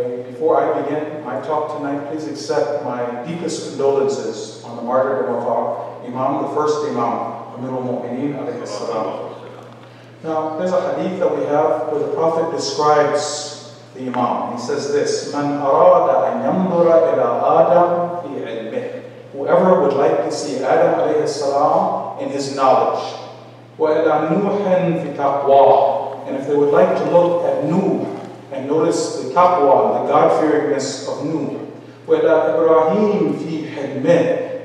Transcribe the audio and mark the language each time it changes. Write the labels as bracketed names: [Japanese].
[English] Before I begin my talk tonight, please accept my deepest condolences on the martyrdom of our Imam, the first Imam, Amir al-Mu'mineen, alayhi salam. Now, there's a hadith that we have where the Prophet describes the Imam. He says this, [Arabic] مَنْ أَرَادَ أَنْ يَنْظُرَ إِلَىٰ آدَمْ فِي عِلْمِهِ. [English] Whoever would like to see Adam alayhi salam in his knowledge. [Arabic] وَإِلَىٰ نُوحٍ فِي تَقْوَىٰ. [English] And if they would like to look at Nuh and notice the taqwa, the God-fearingness of Nuh. [Arabic] وَإِلَىٰ إِبْرَاهِيمْ فِي حِلْمِهِ.